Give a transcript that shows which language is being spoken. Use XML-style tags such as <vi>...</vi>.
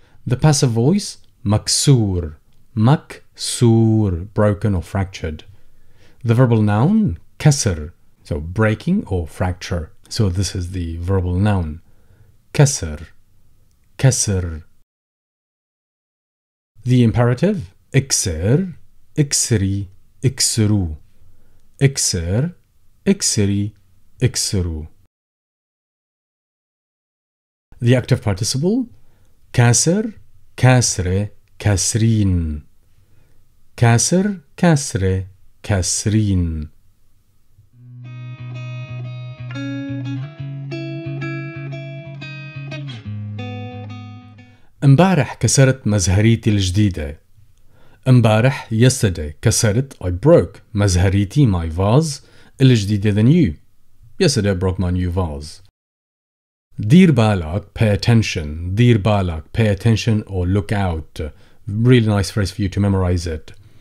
<en>The passive voice مكسور Maksur, broken or fractured. The verbal noun, kasr, so breaking or fracture. So this is the verbal noun. Kasr, kasr. The imperative, iksir, iksiri, iksiru. Iksir, iksiri, iksiru. The active participle, kasr, kasre, kasrin. Kasr, kasre, kasrin.</en> <ar>امبارح كسرت مزهريتي الجديدة. امبارح,</ar> <en>yesterday,</en> <ar>كسرت,</ar> <en>I broke,</en> <ar>مزهريتي,</ar> <en>my vase,</en> <ar>الجديدة,</ar> <en>the new. Yesterday I broke my new vase.</en> <ar>دير بالك,</ar> <en>pay attention.</en> <ar>دير بالك,</ar> <en>pay attention or look out. Really nice phrase for you to memorize it.</en>